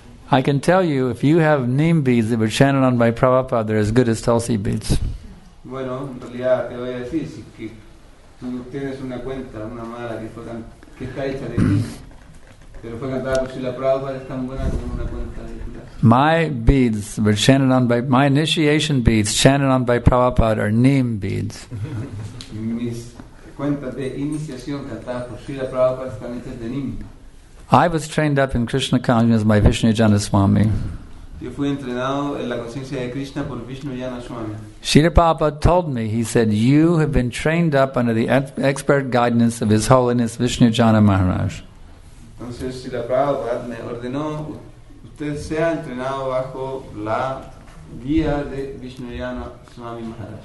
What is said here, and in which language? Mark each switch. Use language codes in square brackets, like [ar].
[en] I can tell you, if you have neem beads that were chanted on by Prabhupada, they're as good as Tulsi beads. [es] Bueno, en realidad te voy a decir si que tú tienes una cuenta, una mala que está hecha de [en] beads, [es] pero fue cantada por Srila Prabhupada, es tan buena como una cuenta de Tulsi. [en] My beads were chanted on by my initiation beads chanted on by Prabhupada are neem beads. [es] Mis cuentas de iniciación cantadas por Srila Prabhupada están hechas de neem. [en] I was trained up in Krishna consciousness by Vishnu Jana Swami. [es] Yo fui entrenado en la conciencia de Krishna por Vishnu Jana Swami. [en] Srila Prabhupada told me, he said, you have been trained up under the expert guidance of His Holiness Vishnu Jana Maharaj. [es] Entonces Srila Prabhupada me ordenó, usted sea entrenado bajo la guía de Vishnu Jana Swami Maharaj.